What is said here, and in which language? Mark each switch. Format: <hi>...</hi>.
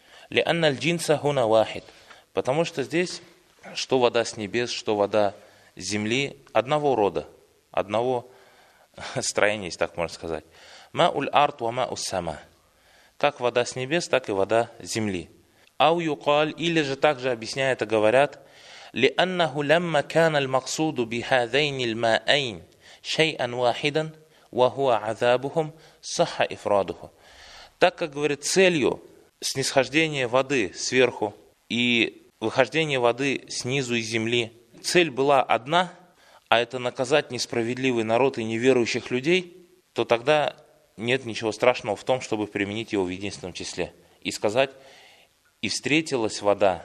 <ar>«Лианна аль-джинса хуна вахид».</ar> <ru>Потому что здесь, что вода с небес, что вода с земли, одного рода, одного строения, если так можно сказать.</ru> <ar>«Ма уль-арт ва ма ус-сама».</ar> <ru>Как вода с небес, так и вода с земли.</ru> <ar>«Ау юкаль»,</ar> <ru>или же также объясняют и говорят,</ru> <ar>لأنه لما كان المقصود بهذين الماءين شيئا واحدا وهو عذابهم صح إفراده.</ar> <ru>Так как говорит, целью снисхождения воды сверху и выхождения воды снизу из земли, цель была одна, а это наказать несправедливый народ и неверующих людей, то тогда нет ничего страшного в том, чтобы применить его в единственном числе и сказать: и встретилась вода.</ru>